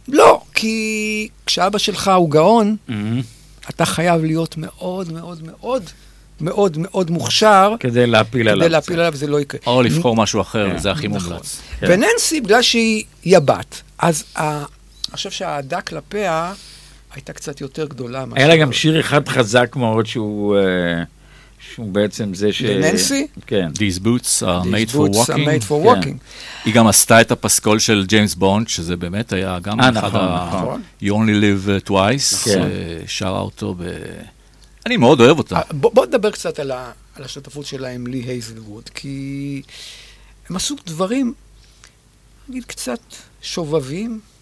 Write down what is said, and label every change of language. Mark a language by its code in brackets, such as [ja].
[he] לא, כי כשאבא שלך הוא גאון, אתה חייב להיות מאוד מאוד מאוד מאוד מאוד מוכשר. כדי להפיל עליו. כדי להפיל עליו, זה לא יקרה. או לבחור משהו אחר, זה הכי מומלץ. וננסי, בגלל שהיא הבת, אז אני חושב שהאהדה כלפיה הייתה קצת יותר גדולה. היה לה גם שיר אחד חזק מאוד שהוא... שהוא בעצם זה ש... לננסי? כן. [en] These boots are made for walking. These boots are made for walking. [he] היא גם עשתה את הפסקול של ג'יימס בונד, שזה באמת היה גם אחד You Only Live Twice. כן. שרה אותו ב... אני מאוד אוהב אותה. בוא נדבר קצת על השותפות שלהם, לי הייזלווד, כי הם עשו דברים, נגיד, קצת שובבים.